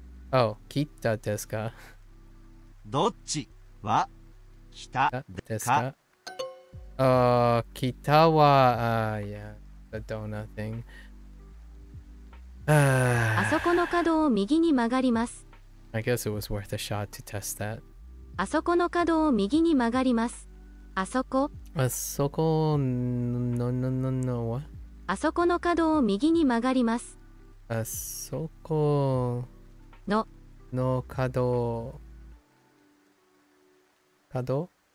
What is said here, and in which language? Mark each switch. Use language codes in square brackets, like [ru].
[ja] あ、oh、 北ですか。どっちは北ですか。あ、北は、あ、 [en] yeah、 I don't know thing。 [ja] あそこの角を右に曲がります。 [en] I guess it was worth a shot to test that。 [ja] あそこの角を右に曲がります。あそこ。 [en] あそこ、no no no no what？ [ja] あそこの角を右に曲がります。あそこのの角、角、